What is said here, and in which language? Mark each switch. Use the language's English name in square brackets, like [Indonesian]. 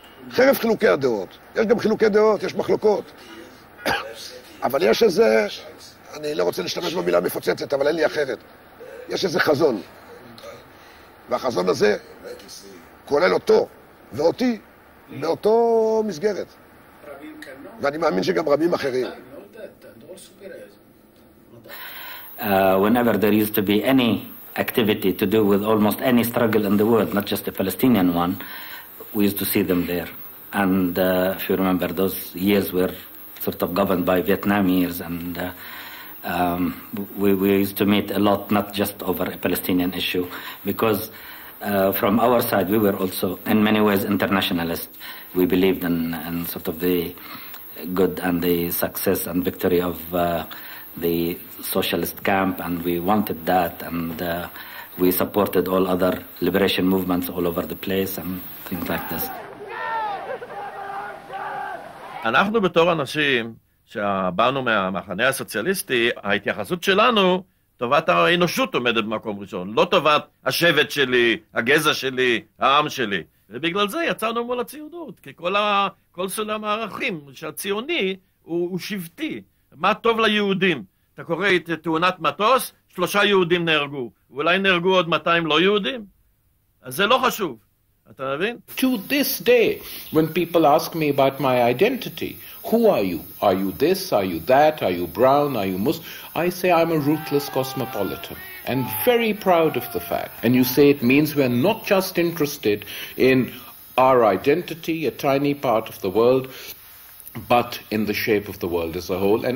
[Hebrew] חרף חילוקי הדעות, יש גם חילוקי דעות, יש מחלוקות. אבל יש איזה, אני לא רוצה להשתמש במילה מפוצצת, אבל אין לי אחרת. יש איזה חזון. והחזון הזה כולל אותו ואותי באותו מסגרת. ואני מאמין שגם רבים אחרים. [English] Whenever there used to be any activity to do with almost any struggle in the world, not just the Palestinian one, we used to see them there. And if you remember, those years were sort of governed by Vietnam years, and we used to meet a lot, not just over a Palestinian issue, because from our side, we were also in many ways internationalists. We believed in sort of the good and the success and victory of the socialist camp, and we wanted that, and we supported all other liberation movements all over the place and things like this. [Hebrew] אנחנו בתור אנשים שבאנו מהמחנה הסוציאליסטי, ההתייחסות שלנו, טובת האנושות עומדת במקום ראשון, לא טובת השבט שלי, הגזע שלי, העם שלי. ובגלל זה יצאנו מול הציונות, כי כל סולם הערכים שהציוני הוא שבטי. מה טוב ליהודים? אתה קורא את תאונת מטוס, שלושה יהודים נהרגו. אולי נהרגו עוד 200 לא יהודים? אז זה לא חשוב. [English] To this day, when people ask me about my identity, who are you? Are you this? Are you that? Are you brown? Are you Muslim? I say I'm a ruthless cosmopolitan and very proud of the fact. And you say it means we're not just interested in our identity, a tiny part of the world, but in the shape of the world as a whole.